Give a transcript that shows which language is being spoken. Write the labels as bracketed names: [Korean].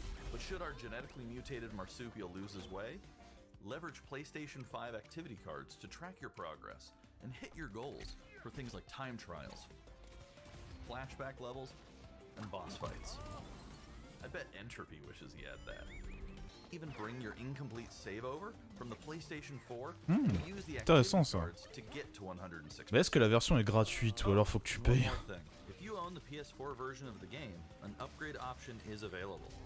[English] But should our genetically mutated marsupial lose his way, leverage PlayStation 5 activity cards to track your progress and hit your goals for things like time trials, flashback levels, and boss fights. I bet Entropy wishes he had that. Even bring your incomplete save over from the PlayStation 4 and use the activity cards to get to 106. [French] Mais est-ce que la version est gratuite ou alors faut que tu payes? [English] If you own the PS4 version of the game, an upgrade option is available.